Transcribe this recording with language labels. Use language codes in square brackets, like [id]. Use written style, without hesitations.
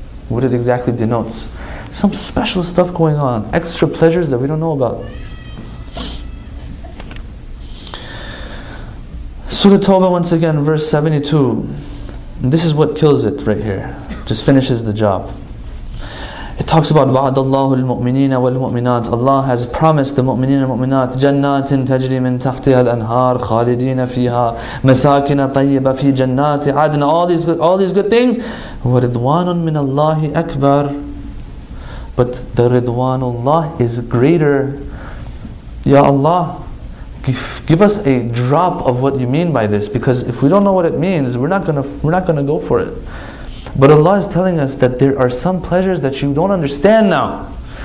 [en] What it exactly denotes. Some special stuff going on. Extra pleasures that we don't know about. Surah Tawbah once again, verse 72. And this is what kills it right here. Just finishes the job. It talks about [ar] وَعَدَ اللَّهُ الْمُؤْمِنِينَ وَالْمُؤْمِنَاتِ [en] Allah has promised the [ar] مُؤْمِنِينَ وَالْمُؤْمِنَاتِ جَنَّاتٍ تَجْرِي مِنْ تَحْتِهَا الْأَنْهَارِ خَالِدِينَ فِيهَا مَسَاكِنَ طَيِّبَ فِي جَنَّاتِ عَدْنَ [en] All these good things. [ar] وَرِضْوَانٌ مِّنَ اللَّهِ أَكْبَرُ [en] But the ridwanullah is greater. Ya Allah, give us a drop of what you mean by this, because if we don't know what it means, we're not gonna go for it. But Allah is telling us that there are some pleasures that you don't understand now.